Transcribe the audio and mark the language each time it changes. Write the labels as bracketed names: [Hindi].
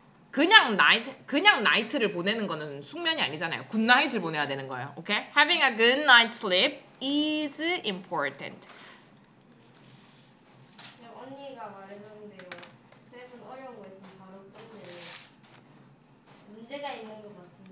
[Korean] 그냥 나이트 그냥 나이트를 보내는 거는 숙면이 아니잖아요. 굿나잇을 보내야 되는 거예요. 오케이? Okay? [English] Having a good night's sleep is important. [Korean] 언니가 말했던 대로 세븐 어려운 거 있으면 바로 좀 내려. 문제 문제가 있는 거 같습니다.